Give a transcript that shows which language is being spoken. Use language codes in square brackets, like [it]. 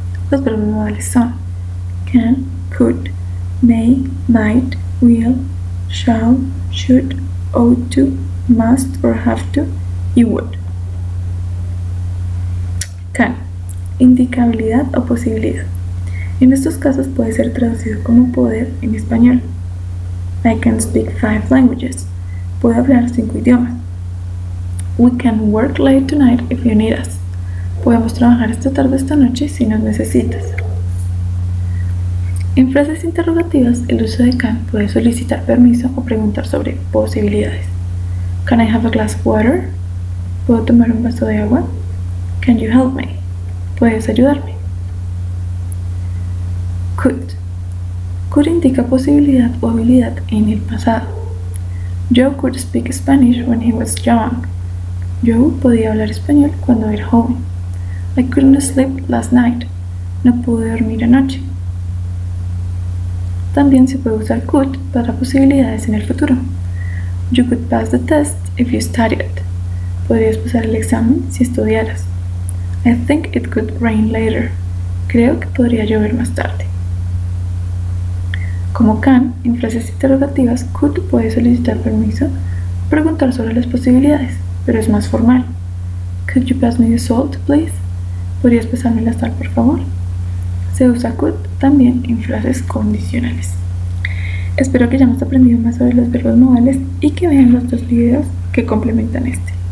[es] Los verbos modales son [en] can, could, may, might, will, shall, should, ought to, must or have to, [es] y would. Can, indicabilidad o posibilidad. En estos casos puede ser traducido como poder en español. [en] I can speak five languages. [es] Puedo hablar cinco idiomas. [en] We can work late tonight if you need us. [es] Podemos trabajar esta tarde esta noche si nos necesitas. En frases interrogativas, el uso de can puede solicitar permiso o preguntar sobre posibilidades. [en] Can I have a glass of water? [es] ¿Puedo tomar un vaso de agua? [en] Can you help me? [es] ¿Puedes ayudarme? Could. Could indica posibilidad o habilidad en el pasado. [en] Joe could speak Spanish when he was young. [es] Joe podía hablar español cuando era joven. [en] I couldn't sleep last night. [es] No pude dormir anoche. También se puede usar could para posibilidades en el futuro. [en] You could pass the test if you studied. [es] Podrías pasar el examen si estudiaras. [en] I think it could rain later. [es] Creo que podría llover más tarde. Como can, en frases interrogativas, could puede solicitar permiso o preguntar sobre las posibilidades, pero es más formal. [en] Could you pass me the salt, please? [es] ¿Podrías pasarme la sal, por favor? Se usa could también en frases condicionales. Espero que hayamos aprendido más sobre los verbos modales y que vean los dos videos que complementan este.